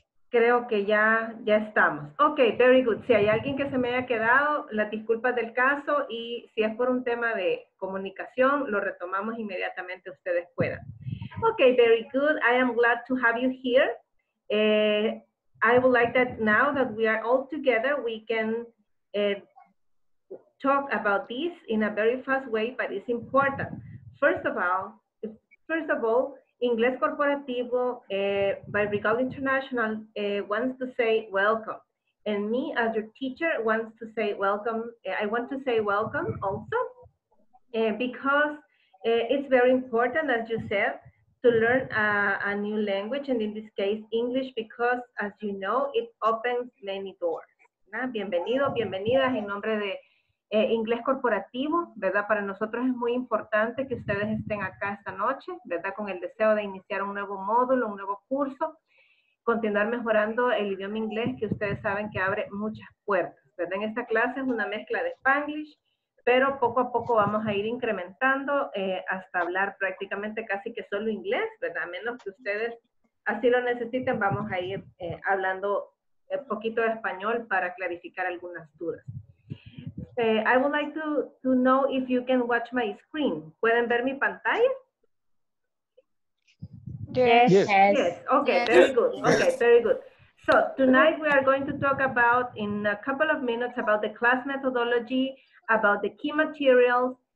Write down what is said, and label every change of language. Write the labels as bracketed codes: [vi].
[es] Creo que ya estamos. Ok, very good. Si hay alguien que se me haya quedado, las disculpas del caso, y si es por un tema de comunicación, lo retomamos inmediatamente ustedes puedan. [en] Ok, very good. I am glad to have you here. I would like that now that we are all together, we can talk about this in a very fast way, but it's important. First of all, Inglés Corporativo by Regal International wants to say welcome. And me as your teacher wants to say welcome. I want to say welcome also because it's very important, as you said, to learn a new language, and in this case, English, because as you know, it opens many doors. [es] ¿Verdad? Bienvenido, bienvenidas en nombre de Inglés Corporativo, ¿verdad? Para nosotros es muy importante que ustedes estén acá esta noche, ¿verdad? Con el deseo de iniciar un nuevo módulo, un nuevo curso, continuar mejorando el idioma inglés, que ustedes saben que abre muchas puertas, ¿verdad? En esta clase es una mezcla de Spanglish, pero poco a poco vamos a ir incrementando hasta hablar prácticamente casi que solo inglés, ¿verdad? A menos que ustedes así lo necesiten, vamos a ir hablando un poquito de español para clarificar algunas dudas. [en] I would like to know if you can watch my screen. [es] ¿Pueden ver mi pantalla? [en] Yes. Yes. Okay, very good. So tonight we are going to talk about, in a couple of minutes, about the class methodology, about the key materials,